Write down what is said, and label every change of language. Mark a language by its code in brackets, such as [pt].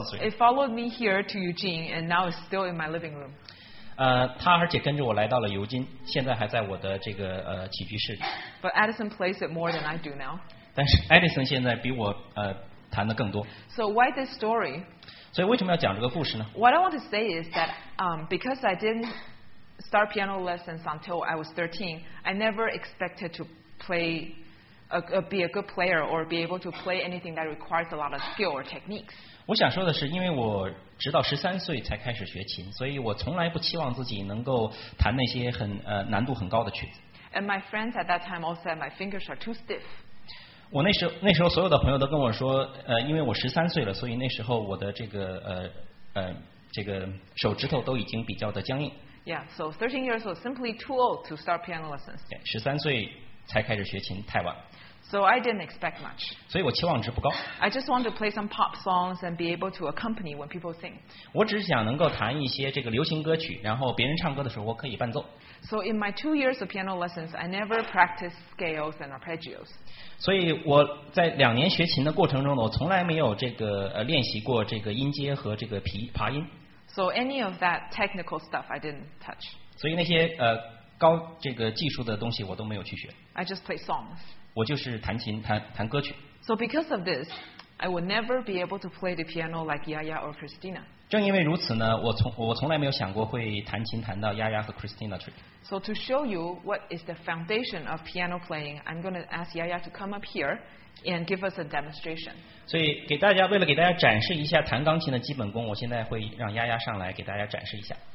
[en] it followed me here to Eugene, and now it's still in my living room. [zh] 他而且跟着我来到了尤金，现在还在我的这个起居室里。 [en] But Edison plays it more than I do now. [zh] 但是 Edison 现在比我弹的更多。 [en] So why this story? [zh] 所以为什么要讲这个故事呢 [en] ？What I want to say is that because I didn't start piano lessons until I was 13, I never expected to play be a good player or be able to play anything that requires a lot of skill or techniques. [zh] 我想说的是，因为我。直到十三岁才开始学琴，所以我从来不期望自己能够弹那些很难度很高的曲子。 [en] And my friends at that time all said my fingers are too stiff. [zh] 我那时候所有的朋友都跟我说，因为我十三岁了，所以那时候我的这个手指头都已经比较的僵硬。 [en] Yeah, so 13 years old, simply too old to start piano lessons. [zh] 十三岁才开始学琴，太晚。 [en] So I didn't expect much. [zh] 所以我期望值不高。 [en] I just want to play some pop songs and be able to accompany when people sing. [zh] 我只是想能够弹一些这个流行歌曲，然后别人唱歌的时候我可以伴奏。 [en] So in my 2 years of piano lessons, I never practiced scales and arpeggios. [zh] 所以我在两年学琴的过程中呢，我从来没有这个练习过这个音阶和这个爬音。 [en] So any of that technical stuff I didn't touch. [zh] 所以那些高这个技术的东西我都没有去学。 [en] I just play songs. [zh] 我就是弹琴弹歌曲。 [en] So because of this, I would never be able to play the piano like Yaya or Christina. [zh] 正因为如此呢，我从来没有想过会弹琴弹到 Yaya 和 Christina 去。 [en] So to show you what is the foundation of piano playing, I'm going to ask Yaya to come up here and give us a demonstration. [zh] 所以给大家为了给大家展示一下弹钢琴的基本功，我现在会让 Yaya 上来给大家展示一下。